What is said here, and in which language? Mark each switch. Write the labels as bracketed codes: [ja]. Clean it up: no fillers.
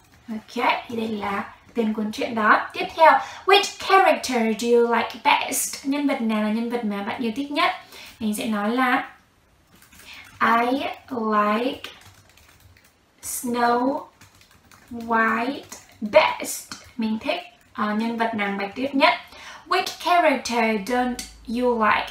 [vi] Ok, thì đây là tên cuốn truyện đó. Tiếp theo, [en] which character do you like best? [vi] Nhân vật nào là nhân vật mà bạn yêu thích nhất? Mình sẽ nói là [en] I like Snow White best. [vi] Mình thích nhân vật Nàng Bạch Tuyết nhất. [en] Which character don't you like?